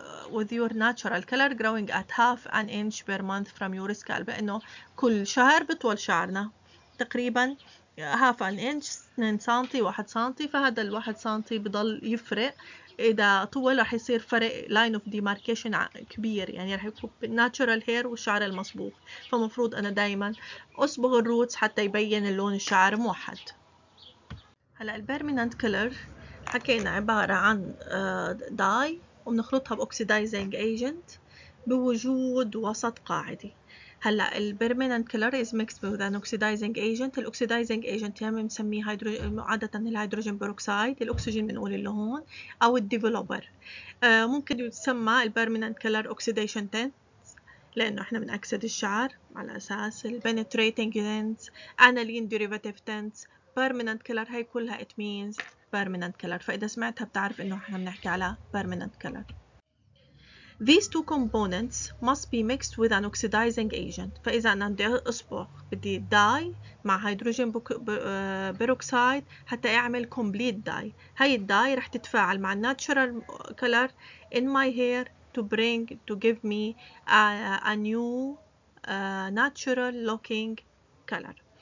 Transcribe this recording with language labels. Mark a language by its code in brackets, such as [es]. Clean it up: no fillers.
[en] With your natural color growing at 1/2 inch per month from your scalp. [ar] إنه كل شهر بطول شعرنا تقريباً [en] 1/2 inch [ar] 2 سنتي 1 سنتي، فهذا الواحد سنتي بضل يفرق، إذا طول رح يصير فرق [en] line of demarcation [ar] كبير، يعني رح يكون [en] natural hair [ar] والشعر المصبوغ، فمفروض أنا دايما أصبغ الروتس حتى يبين اللون الشعر موحد. هلأ البيرمننت كولر حكينا عبارة عن داي وبنخلطها بأوكسيدايزينج ايجنت بوجود وسط قاعدي. هلا [en] البيرمننت colour is mix with an oxidising agent. [ar] الاوكسيدايزنج ايجنت يعني بنسميه هيدروجين، عاده الهيدروجين بيروكسيد، الاكسجين بنقول اللي هون، او الديفلوبر. ممكن يتسمى البيرمننت كلر اوكسيديشن تنت لانه احنا بنكسد الشعر على اساس البينتريتنج تنت، انالين ديريفاتيف تنت، بيرمننت كلر، هي كلها ات مينز بيرمننت كلر، فاذا سمعتها بتعرف انه احنا بنحكي على بيرمننت كلر. [en] These two components must be mixed with an oxidizing agent. [ar] فإذا أنا بدي أصبغ بدي داي مع هيدروجين بيروكسيد حتى أعمل [en] complete dye. [ar] هاي الداي رح تتفاعل مع [en] natural color in my hair to give me a new natural looking color.